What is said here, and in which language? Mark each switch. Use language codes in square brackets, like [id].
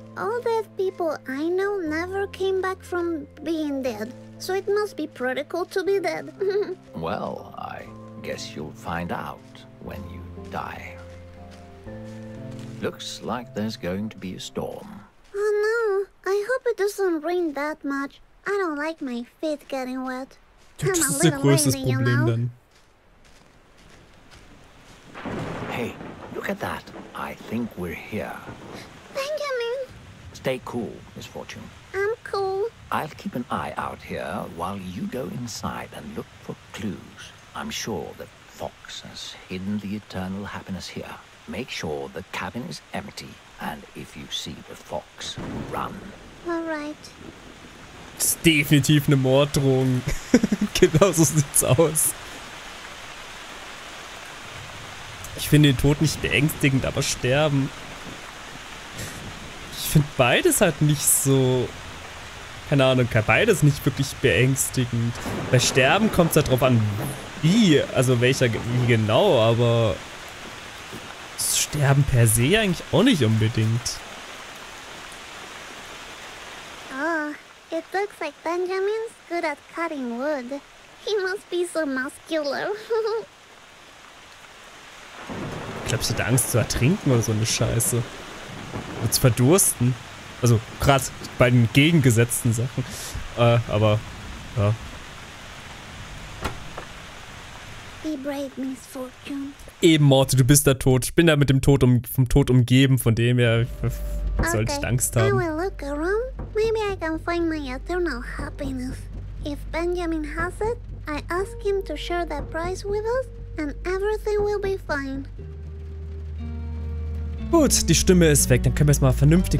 [en] all the people I know never came back from being dead, so it must be pretty cool to be dead. Well, I guess you'll find out when you die. Looks like there's going to be a storm. Oh no, I hope it doesn't rain that much. I don't like my feet getting wet. [de] Das ist der größte Problem dann. [en] Hey, look at that. I think we're here. Benjamin! Stay cool, Miss Fortune. I'm cool. I'll keep an eye out here while you go inside and look for clues. I'm sure that Fox has hidden the eternal happiness here. Make sure the cabin is empty, and if you see the fox, run. Alright. [de] Das ist definitiv eine Morddrohung. Genau so sieht's aus. Ich finde den Tod nicht beängstigend, aber sterben. Ich finde beides halt nicht so. Keine Ahnung, kann beides nicht wirklich beängstigend. Bei Sterben kommt es halt drauf an, wie, also welcher, wie genau, aber. Das Sterben per se eigentlich auch nicht unbedingt. [en] It looks like Benjamin's good at cutting wood. He must be so muscular. [de] Glaubst du, hat Angst zu ertrinken oder so eine Scheiße? Oder zu verdursten? Also, krass, bei den gegengesetzten Sachen. Aber, ja. [en] Be brave, Miss Fortune. [de] Eben, Morty, du bist der Tod. Ich bin da mit dem Tod vom Tod umgeben, von dem her. Okay. Sollte ich Angst haben? [en] I will look around. Maybe I can find my eternal happiness. If Benjamin has it, I ask him to share that prize with us and everything will be fine. [de] Gut, die Stimme ist weg, dann können wir jetzt mal vernünftig